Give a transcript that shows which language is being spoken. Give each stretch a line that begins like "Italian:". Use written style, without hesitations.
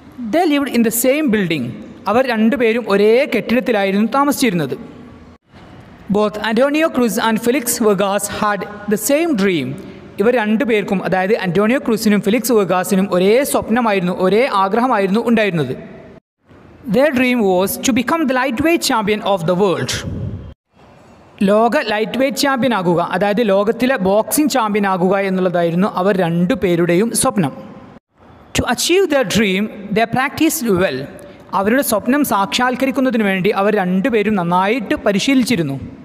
English: They lived in the same building.
Malayalam: അവർ രണ്ടുപേരും ഒരേ കെട്ടിടത്തിലായിരുന്നു താമസിച്ചിരുന്നത്.
English: Both Antonio Cruz and Felix Vargas had the same dream.
Malayalam: ഇവർ രണ്ടുപേർക്കും, അതായത് അന്റോണിയോ ക്രൂസിനും ഫെലിക്സ് വുഗാസിനും, ഒരേ സ്വപ്നമായിരുന്നു, ഒരേ ആഗ്രഹമായിരുന്നു ഉണ്ടായിരുന്നത്.
English: Their dream was to become the lightweight champion of the world.
Malayalam: ലോക ലൈറ്റ്വെയ്റ്റ് ചാമ്പ്യൻ ആകുക, അതായത് ലോകത്തിലെ ബോക്സിംഗ് ചാമ്പ്യൻ ആകുക എന്നുള്ളതായിരുന്നു അവർ രണ്ടുപേരുടെയും സ്വപ്നം.
English: To achieve the dream the practised well.
Malayalam: അവരുടെ സ്വപ്നം സാക്ഷാത്കരിക്കുന്നതിന് വേണ്ടി അവർ രണ്ടുപേരും നന്നായിട്ട് പരിശീലിച്ചിരുന്നു.